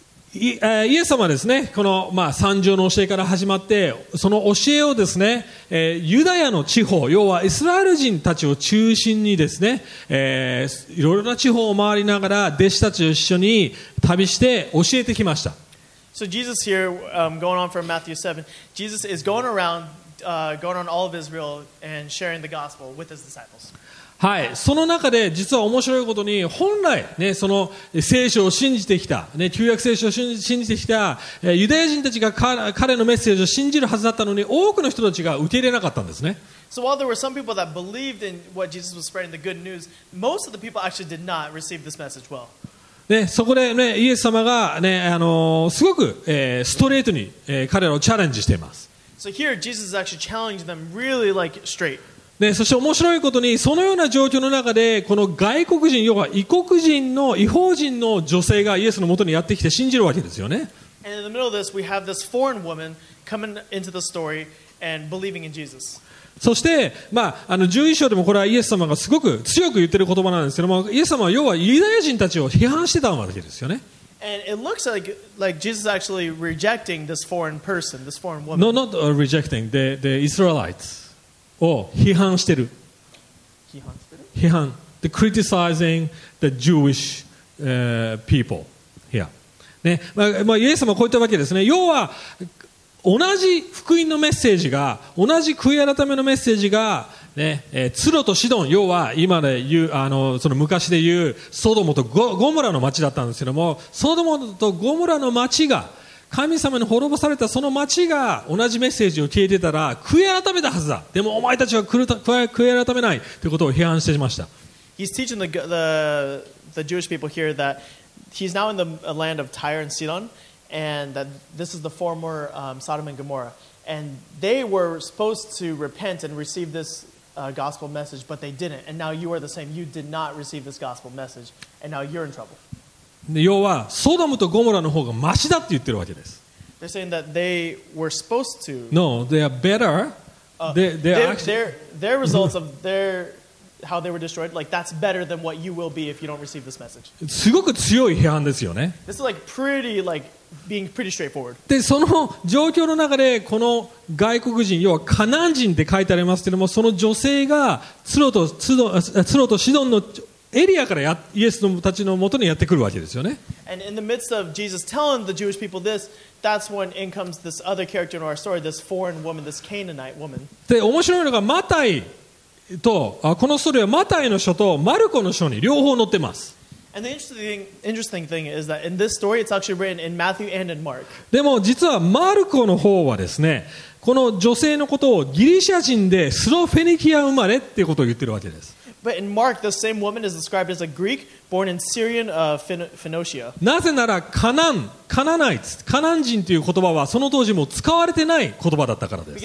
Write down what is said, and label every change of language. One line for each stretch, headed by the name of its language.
Japanese: イエス様ですね、この、まあ、三条の教えから始まって、その教えをですね、ユダヤの地方、要はイスラエル人たちを中心にですね、いろいろな地方を回りながら弟子たちと一緒に旅して教えてきました。
English: So Jesus here, going on from Matthew 7, Jesus is going around, going on all of Israel and sharing the gospel with his disciples.
Japanese: はい、その中で実は面白いことに、本来、ね、その聖書を信じてきた、ね、旧約聖書を信じてきたユダヤ人たちが彼のメッセージを信じるはずだったのに、多くの人たちが受け入れなかったんですね。
English: So while there were some people that believed in what Jesus was spreading, the good news, most of the people actually did not receive this message well.
Japanese: でそこで、ね、イエス様が、ね、すごく、ストレートに、彼らをチャレンジしています。
English: So here, Jesus is actually challenging them really like straight.
Japanese: でそして面白いことにそのような状況の中でこの外国人要は異国人の異邦人の女性がイエスの元にやってきて信じるわけですよね。
English: And in the middle of this, we have this foreign woman coming into the story and believing in Jesus.
Japanese: そして、まあ、11章でもこれはイエス様がすごく強く言ってる言葉なんですけども、イエス様は要はユダヤ人たちを批判してたわけですよね。
English: And it looks like Jesus is actually rejecting this foreign person, this foreign woman. No, not rejecting. The Israelites
Japanese: を批判してる。批判してる？批判。
English: The criticizing the Jewish people here.
Japanese: ね、まあ、まあ、イエス様はこういったわけですね。要は、同じ福音のメッセージが同じ悔い改めのメッセージが、ね、ツロとシドン要は今で言うその昔で言うソドモと ゴモラの町だったんですけどもソドモとゴモラの町が神様に滅ぼされたその町が同じメッセージを聞いてたら悔い改めたはずだでもお前たちは悔い改めないということを批判してしました。
English: He's teaching the Jewish people here that he's now in the land of Tyre and Sidon. And that this is the former Sodom and Gomorrah, and they were supposed to repent and receive this gospel message, but they didn't. And now you are the same. You did not receive this gospel message, and now you're in trouble.
Japanese: 要はソダムとゴモラの方がマシだって言ってるわけです。
English: They're saying that they were supposed to. No, they are better. Their results of their how they were destroyed, like that's better than what you will be if you don't receive this message.
Japanese: すごく強い批判ですよね。
English: This is like pretty like. Being pretty straightforward.
Japanese: でその状況の中でこの外国人要はカナン人って書いてありますけどもその女性がツロとシドンのエリアからイエスたちの元にやってくるわけですよね。
English: And in the midst of Jesus telling the Jewish people this, that's when in comes this other character in our story, this foreign woman, this Canaanite woman.
Japanese: で面白いのがマタイとこのストーリーはマタイの書とマルコの書に両方載ってます。
English: And the interesting thing is that in this story, it's actually written in Matthew and in Mark.
Japanese: でも実はマルコの方はですね、この女性のことをギリシャ人でスロフェニキア生まれっていうことを言ってるわけです。
English: But in Mark, the same woman is described as a Greek born in Syrian Phoenicia.
Japanese: なぜならカナン、カナナイツ、カナン人という言葉はその当時も使われてない言葉だったからです。